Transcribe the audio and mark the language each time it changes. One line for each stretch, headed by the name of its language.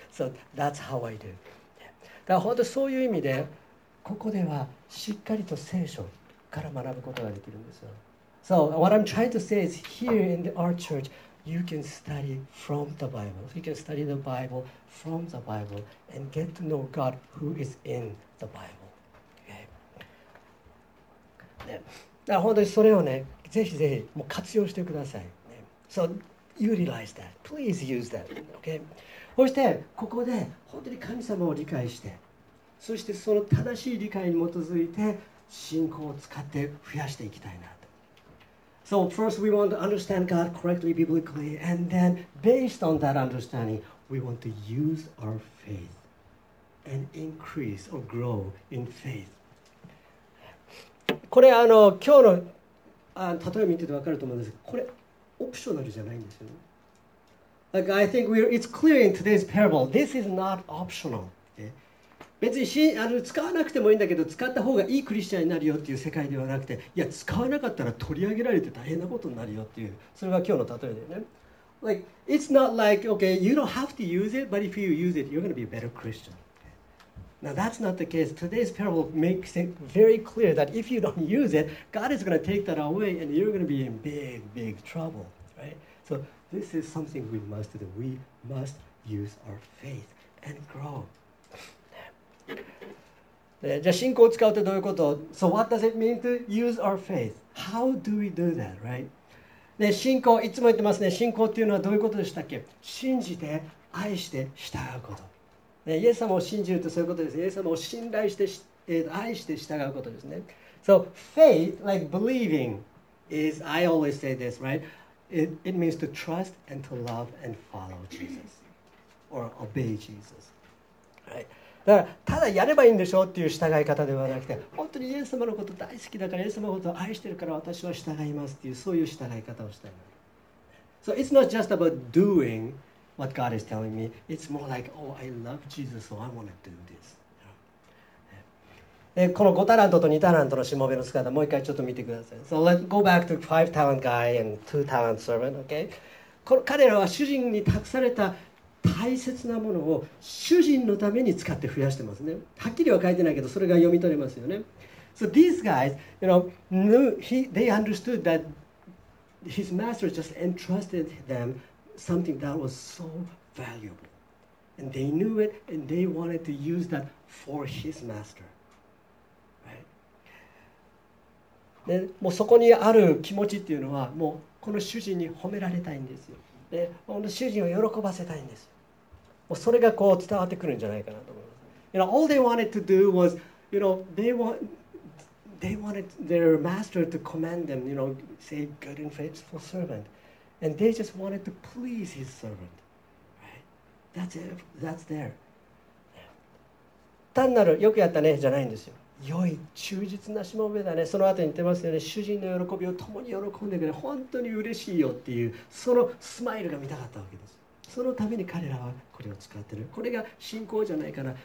English: So that's how I do.
Japanese: だから本当そういう意味で、ここではしっかりと聖書から学ぶことができるんですよ。
English: So what I'm trying to say is here in our church, You can study from the Bible. You can study the Bible from the Bible and get to know God who is in the Bible. Okay.
Japanese: だから本当にそれをね、ぜひぜひもう活用してください。
English: So utilize that. Please use that. Okay.
Japanese: そしてここで本当に神様を理解して、そしてその正しい理解に基づいて信仰を使って増やしていきたいな。
English: So first we want to understand God correctly biblically and then based on that understanding we want to use our faith and increase or grow in faith.
Japanese: これ今日の例え見てて分かると思うんですけど、これオプショナルじゃないんですよね。
English: Like I think it's clear in today's parable. This is not optional. Okay?
Japanese: 別に使わなくてもいいんだけど使った方がいいクリスチャンになるよっていう世界ではなくて、いや使わなかったら取り上げられて大変なことになるよっていう、それが今日の例えだよね。
English: Like it's not like okay you don't have to use it but if you use it you're going to be a better Christian. Now that's not the case. Today's parable makes it very clear that if you don't use it God is going to take that away and you're going to be in big big trouble, right? So this is something we must do. We must use our faith and grow
Japanese: じゃあ信仰を使うってどういうこと？
English: So what does it mean to use our faith? How do we do that, right?
Japanese: で信仰、いつも言ってますね。信仰っていうのはどういうことでしたっけ？信じて、愛して、従うこと。でイエス様を信じるとそういうことです。イエス様を信頼して、愛して従うことですね。
English: So faith, like believing, is, I always say this, right? It means to trust and to love and follow Jesus. Or obey Jesus. Right?
Japanese: だからただやればいいんでしょうっていう従い方ではなくて、本当にイエス様のこと大好きだから、イエス様のことを愛してるから私は従いますっていう、そういう従い方をしたい。
English: So it's not just about doing what God is telling me. It's more like, oh, I love Jesus, so I want to do this.
Japanese: でこの5タラントと2タラントのしもべの姿、もう一回ちょっと見てください。
English: So let's go back to 5 talent guy and 2 talent servant, okay?
Japanese: この彼らは主人に託された大切なものを主人のために使って増やしてますね。はっきりは書いてないけど、それが読み取れますよね。
English: So these guys, you know, knew he, they understood that his master just entrusted them something that was so valuable. And they knew it, and they wanted to use that for his master. Right?
Japanese: もうそこにある気持ちっていうのは、もうこの主人に褒められたいんですよ。で、この主人を喜ばせたいんですよ。もうそれがこう伝わってくるんじゃないかなと思います。
English: You know, all they wanted to do was, you know, they wanted their master to commend them, you know, say good and faithful servant, and they just wanted to please his servant, right? That's it. That's there.
Japanese: 単なるよくやったねじゃないんですよ。良い忠実なしもべだね。その後に言ってますよね。主人の喜びを共に喜んでくれ、本当に嬉しいよっていう、そのスマイルが見たかったわけです。そのために彼らはこれを使ってる。これが信仰じゃないかな。